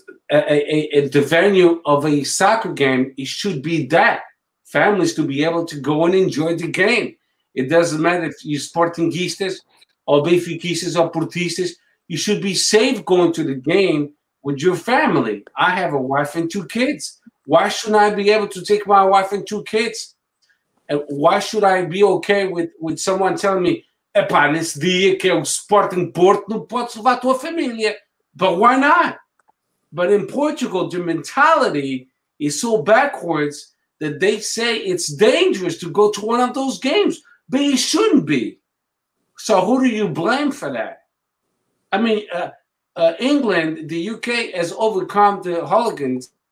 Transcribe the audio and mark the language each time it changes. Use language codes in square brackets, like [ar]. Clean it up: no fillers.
[en] At the venue of a soccer game, it should be that. Families to be able to go and enjoy the game. It doesn't matter if you're Sportingistas or Benfiquistas or Portistas. You should be safe going to the game with your family. I have a wife and two kids. Why shouldn't I be able to take my wife and two kids? And why should I be okay with someone telling me, [pt] epa, nesse dia que é o Sporting Porto, não podes levar a tua família? [en] But why not? But in Portugal, the mentality is so backwards that they say it's dangerous to go to one of those games. But it shouldn't be. So who do you blame for that? I mean, England, the UK has overcome the hooligans.